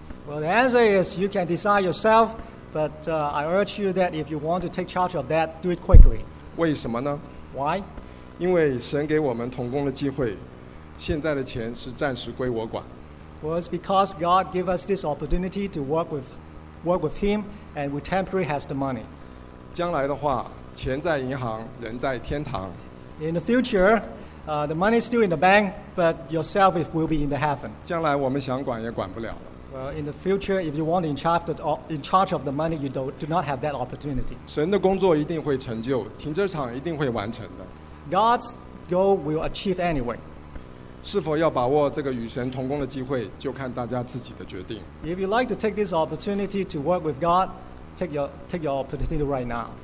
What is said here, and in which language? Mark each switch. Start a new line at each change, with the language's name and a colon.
English: Well, the answer is you can decide yourself, but I urge you that if you want to take charge of that, do it quickly.
Chinese: 为什么呢？
English: Why?
Chinese: 因为神给我们同工的机会。现在的钱是暂时归我管。
English: Well, it's because God gave us this opportunity to work with Him, and we temporarily has the money.
Chinese: 将来的话，钱在银行，人在天堂。
English: In the future, the money is still in the bank, but yourself will be in the heaven.
Chinese: 将来我们想管也管不了了。
English: Well, in the future, if you want in charge of the money, you do not have that opportunity.
Chinese: 神的工作一定会成就，停车场一定会完成的。
English: God's goal will achieve anyway.
Chinese: 是否要把握这个与神同工的机会，就看大家自己的决定。
English: If you'd like to take this opportunity to work with God, take your opportunity right now.